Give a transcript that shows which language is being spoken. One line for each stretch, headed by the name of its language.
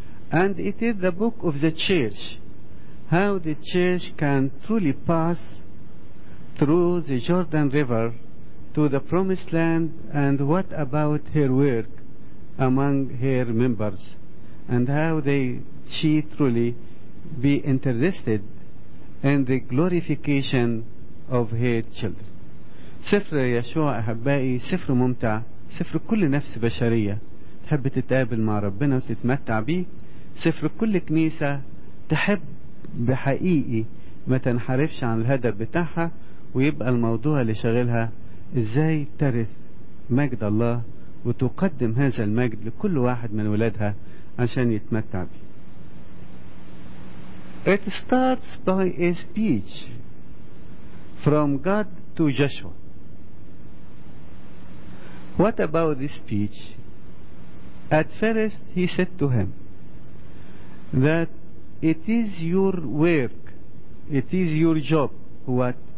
English: And it is the book of the church, how the church can truly pass through the Jordan River to the promised land, and what about her work among her members, and how she truly be interested and the glorification of her children.
Arabic: سفر يشوع أحبائي سفر ممتع، سفر كل نفس بشرية تحب تتقابل مع ربنا وتتمتع به، سفر كل كنيسة تحب بحقيقي ما تنحرفش عن الهدف بتاعها، ويبقى الموضوع اللي شغلها ازاي ترث مجد الله وتقدم هذا المجد لكل واحد من ولادها عشان يتمتع به.
English: It starts by a speech from God to Joshua. What about this speech? At first he said to him that it is your work, it is your job, what?